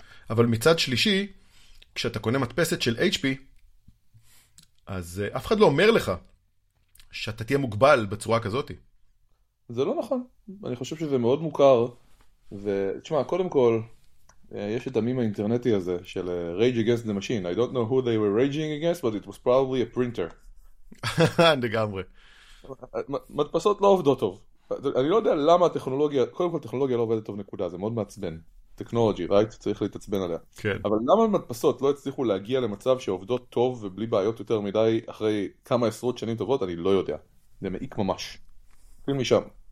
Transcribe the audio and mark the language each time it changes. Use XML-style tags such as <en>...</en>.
<he>אבל מצד שלישי, כשאתה קונה מדפסת של HP, אז אף אחד לא אומר לך שאתה תהיה מוגבל בצורה כזאת. זה לא נכון. אני חושב שזה מאוד מוכר. ותשמע, קודם כל, יש את המים האינטרנטי הזה של Rage Against the Machine.</he> <en>I don't know who they were raging against, but it was probably a printer.</en> <he>לגמרי. מדפסות לא עובדות טוב. אני לא יודע למה הטכנולוגיה, קודם כל טכנולוגיה לא עובדת טוב נקודה, זה מאוד מעצבן. טכנולוגי, right? צריך להתעצבן עליה. כן. אבל למה מדפסות לא הצליחו להגיע למצב שעובדות טוב ובלי בעיות יותר מדי אחרי כמה עשרות שנים טובות? אני לא יודע. זה מעיק ממש. תפיל משם.</he>